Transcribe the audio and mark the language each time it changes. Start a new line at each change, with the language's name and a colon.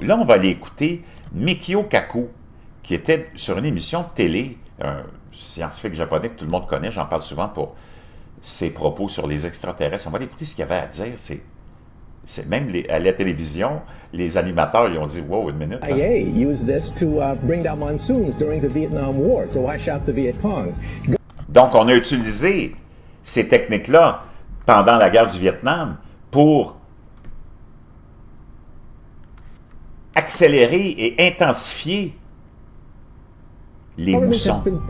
French: Là, on va aller écouter Mikio Kaku, qui était sur une émission de télé, un scientifique japonais que tout le monde connaît, j'en parle souvent pour ses propos sur les extraterrestres. On va aller écouter ce qu'il avait à dire. C'est même à la télévision, les animateurs, ils ont dit « Wow, une minute. »
English: IA used this to bring down monsoons during the Vietnam War, to wash out the Viet Cong.
French: Donc, on a utilisé ces techniques-là pendant la guerre du Vietnam pour accélérer et intensifier les moussons.